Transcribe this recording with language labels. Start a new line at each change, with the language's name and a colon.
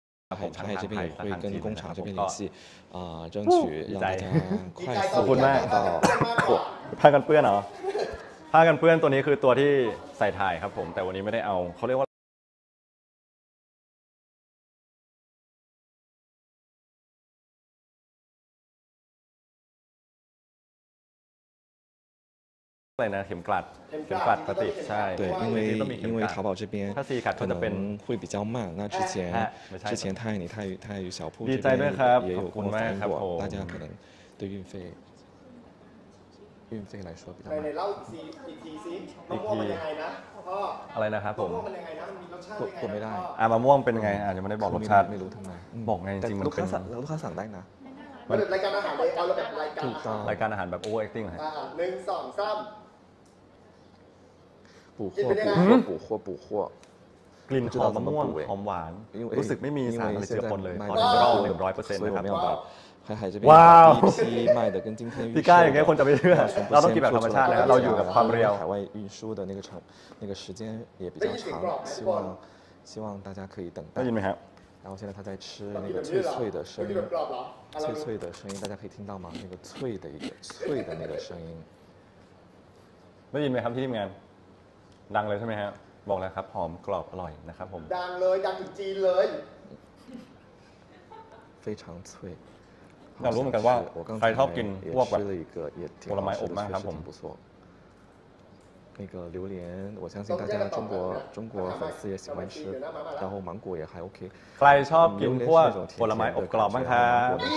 Chinese: 上海这边也会跟工厂这边联系，啊，争取让大家快速拿到货。怕跟เปื้อน啊？怕跟
Thai: เปื้อน，ตัวนี้คือตัวที่ใส่ถ่ายครับผม，แต่วันนี้ไม่ได้เอา，เขาเรียกว่าเข็มกลัด เข็มกลัด ปฏิใช่
Chinese: 对因为因为淘宝这边
Thai: ถ้าซีขัดก็จะเป็น
Chinese: 会比较慢那之前泰尼泰语小铺
Thai: ดีใจด้วยครับ ขอบ คุณมากครับ
Chinese: ผม大家可能对运费来说比较慢
Thai: เล่าอีกทีซิมะม่วงเป็นยังไงนะพ่ออ ะไรนะครับผม มะม่วงเป็นยังไงนะมันมีรสชาติยังไง ไม่ได้มะม่วงเป็นยังไงยังไม่ได้บอกรสชาติ ไม่รู้ทำไม บอกไงจริงมันเป็น ลูกค้าสั่งได้นะ มันรายการอาหารเลยเอาแบบรายการอาหาร แบบโอเวอร์แอคติ้ง หนึ่งสองสาม ปู่ขั้ว กลิ่นหอมมะม่วงหอมหวานรู้สึกไม่มีสารอะไรเจือปนเลยขอถึงรอบ 100% นะครับ ว้าว ว้าว พี่กล้าอย่างเงี้ยคนจะไม่เชื่อเราต้องกินแบบธรรมชาตินะเราอยู่กับความเร็ว ถ่ายว่ายุ่นซู่
Chinese: 的那个长那个时间也比较长希望大家可以等待
Thai: ได้ยินไหม
Chinese: ครับ然后现在他在吃那个脆脆的声音脆脆的声音大家可以听到吗那个脆的一个脆的那个声音
Thai: ได้ยินไหมครับพี่ทีมงานดังเลยใช่ไหมฮะบอกแล้วครับหอมกรอบอร่อยนะครับผม ดังเลยดังถึงจีนเลย
Chinese: 非常脆 อยากรู้เหมือนกันว่าใครชอบกินพวกแบบผลไม้อบมากครับผม 那个榴莲我相信大家中国粉丝也喜欢吃然后芒果也还 OK
Thai: ใครชอบกินพวกผลไม้อบกรอบบ้างครับ